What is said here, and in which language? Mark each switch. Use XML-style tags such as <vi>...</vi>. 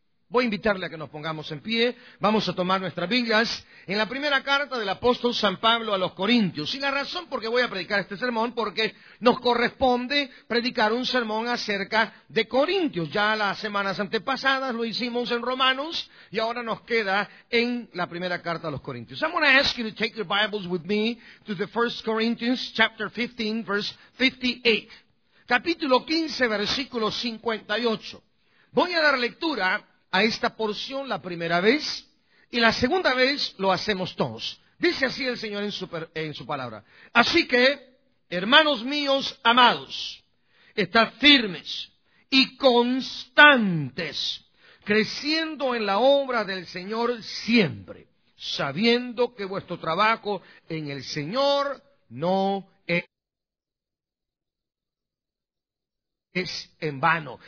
<es>Voy a invitarle a que nos pongamos en pie, vamos a tomar nuestras Biblias, en la primera carta del apóstol San Pablo a los Corintios. Y la razón por qué voy a predicar este sermón, porque nos corresponde predicar un sermón acerca de Corintios. Ya las semanas antepasadas lo hicimos en Romanos, y ahora nos queda en la primera carta a los Corintios.</es> <en>I'm going to ask you to take your Bibles with me to the 1 Corinthians chapter 15, verse 58.</en> <es>Capítulo 15, versículo 58. Voy a dar lectura a esta porción la primera vez, y la segunda vez lo hacemos todos. Dice así el Señor en su palabra. Así que, hermanos míos amados, estad firmes y constantes, creciendo en la obra del Señor siempre, sabiendo que vuestro trabajo en el Señor no es en vano.</es>